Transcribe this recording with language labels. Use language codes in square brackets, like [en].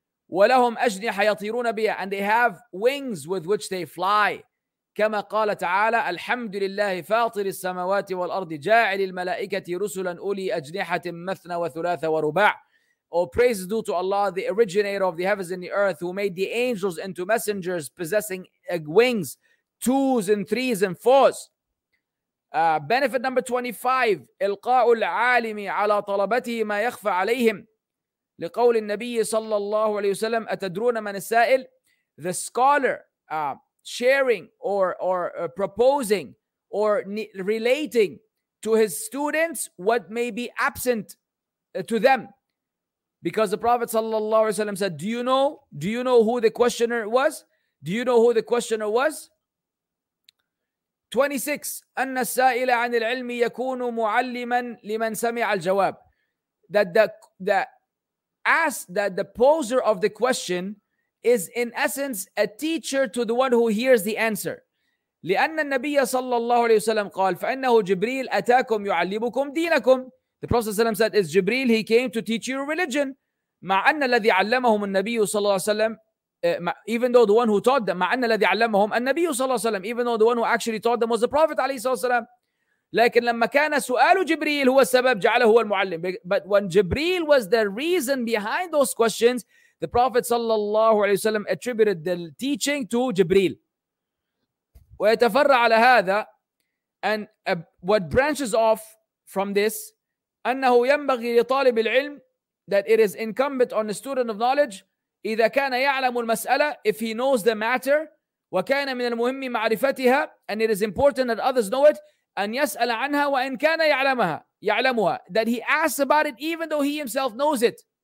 [ar] ولهم أجنحة يطيرون بها [en] and they have wings with which they fly [ar] كما قال تعالى الحمد لله فاطر السماوات والأرض جاعل الملائكة رسلا أولي أجنحة مثنى وثلاث ورباع [en] All praise due to Allah, the originator of the heavens and the earth, who made the angels into messengers possessing wings, twos and threes and fours. Benefit number 25, [ar] إلقاء العالم على طلبته ما يخفى عليهم. لقول النبي صلى الله عليه وسلم, أتدرون من السائل? [en] The scholar sharing or proposing or relating to his students what may be absent to them. Because the Prophet sallallahu alaihi wasallam said, Do you know who the questioner was? Do you know who the questioner was? 26. [ar] أن السائل عن العلم يكون معلما لمن سمع الجواب. [en] That the poser of the question is in essence a teacher to the one who hears the answer. [ar] لأن النبي صلى الله عليه وسلم قال فإنه جبريل أتاكم يعلمكم دينكم. [en] The Prophet ﷺ said, "It's Jibril. He came to teach you religion." [ar] مع أن الذي علمهم النبي صلى الله عليه وسلم, [en] even though the one who taught them, [ar] مع أن الذي علمهم النبي صلى الله عليه وسلم, [en] even though the one who actually taught them was the Prophet عليه الصلاة والسلام. [ar] لكن لما كان سؤال جبريل هو السبب جعله هو المعلم. [en] But when Jibril was the reason behind those questions, the Prophet صلى الله عليه وسلم attributed the teaching to Jibril. [ar] ويتفرع على هذا, [en] and what branches off from this. [ar] أنه ينبغي لطالب العلم [en] that it is incumbent on a student of knowledge [ar] إذا كان يعلم المسألة [en] if he knows the matter [ar] وكان من المهم معرفتها [en] and it is important that others know it [ar] أن يسأل عنها وإن كان يعلمها [en] that he asks about it even though he himself knows it